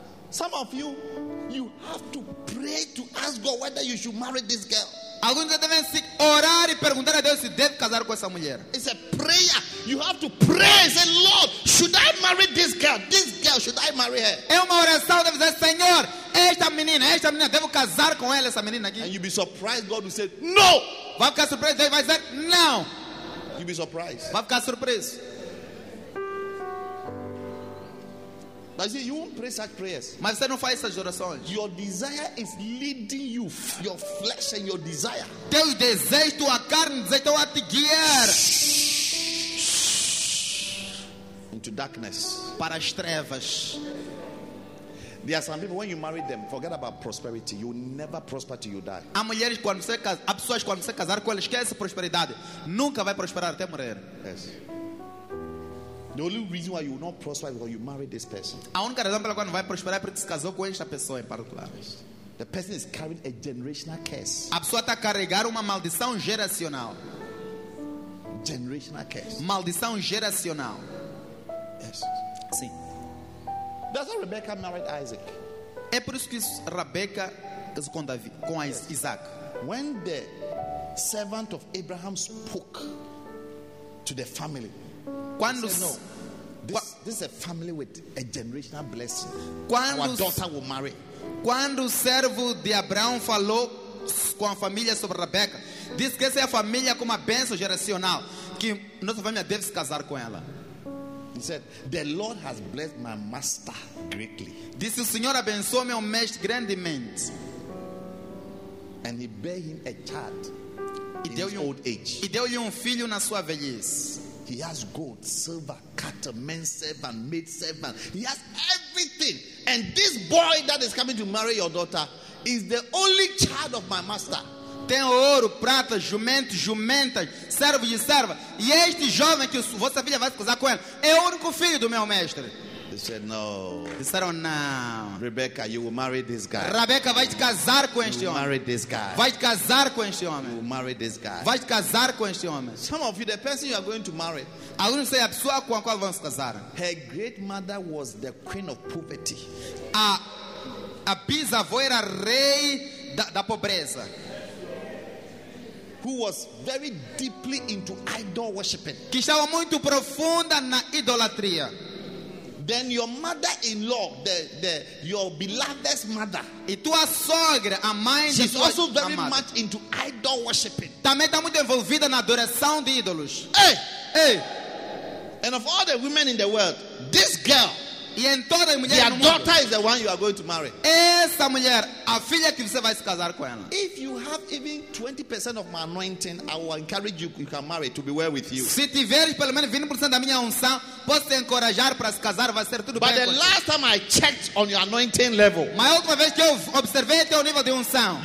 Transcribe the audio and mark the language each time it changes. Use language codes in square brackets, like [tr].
[en] Some of you, you have to pray to ask God whether you should marry this girl. [pt] Alguns devem orar e perguntar a Deus se deve casar com essa mulher. [en] It's a prayer. You have to pray and say, Lord, should I marry this girl? This girl, should I marry her? [pt] É uma oração de dizer, Senhor, esta menina, devo casar com ela, essa menina aqui. [en] And you'll be surprised, God will say, no. [pt] Vai ficar surpreso, Deus vai dizer, não. [en] You'll be surprised. [pt] Vai ficar surpreso. [en] But you won't pray such prayers. [pt] Mas você não faz essas orações. [en] Your desire is leading you, your flesh and your desire. [pt] Teu desejo, tua carne, desejo a te guiar. [en] Into darkness. [pt] Para as trevas. [en] There are some people, when you marry them, forget about prosperity. You never prosper till you die. [pt] Há mulheres, quando você casar, pessoas, quando você casar com elas, esquece a prosperidade. Nunca vai prosperar até morrer. [en] Yes. The only reason why you will not prosper is because you marry this person. [pt] A única razão pela qual não vai prosperar é porque se casou com esta pessoa em particular. [en] The person is carrying a generational curse. [pt] A pessoa está a carregar uma maldição geracional. [en] Generational curse. [pt] Maldição geracional. [en] Yes. [pt] Sim. [en] Does Rebecca marry Isaac? [pt] É por isso que Rebecca casou com Davi, com Isaac. [en] When the servant of Abraham spoke to the family. [pt] Quando [en] said, no, this is a family with a generational blessing. [pt] Quando [en] our daughter will marry. [pt] Quando o servo de Abraão falou com a família sobre Rebeca, disse que essa é a família com uma bênção geracional, que nossa família deve se casar com ela. [en] He said, "The Lord has blessed my master greatly." [pt] Disse, o Senhor abençoou meu mestre grandemente. [en] And he bare him a child [pt] e [en] in his old age. [pt] E deu-lhe filho na sua velhice. [en] He has gold, silver, cattle, men servant, maid servant. He has everything. And this boy that is coming to marry your daughter is the only child of my master. [pt] tem ouro, prata, jumentos, jumentas, servos e servas. E este jovem que vossa filha vai se casar com ele é o único filho do meu mestre. [en] They said no. [pt] Disseram não. [en] Rebecca, you will marry this guy. [pt] Rebecca vai te casar com este homem. [en] Marry this guy. [pt] Vai te casar com este homem. [en] You will marry this guy. [pt] Vai te casar com este homem. [en] Some of you, the person you are going to marry. [pt] Alguns dizem a pessoa com a qual vão se casar. [en] Her great mother was the queen of poverty. [pt] A bisavó era rei da pobreza. [en] Who was very deeply into idol worshiping. [pt] Que estava muito profunda na idolatria. [en] Then your mother-in-law, your beloved's mother. [pt] E tua sogra, a mãe de [en] sua also very amada. Much into idol worshiping. [pt] Também está muito envolvida na adoração de ídolos. Hey! [en] And of all the women in the world, this girl, [pt] e em toda a mulher [en] your [pt] no [en] daughter [pt] mundo, [en] is the one you are going to marry. [pt] Essa mulher, a filha que você vai se casar com ela. [en] If you have even 20% of my anointing, I will encourage you, you can marry to be well with you. [pt] Se tiveres pelo menos 20% da minha unção, posso te encorajar para se casar, vai ser tudo [en] but [pt] bem. [en] But the last time I checked on your anointing level, [pt] mas outra vez que eu observei teu nível de unção,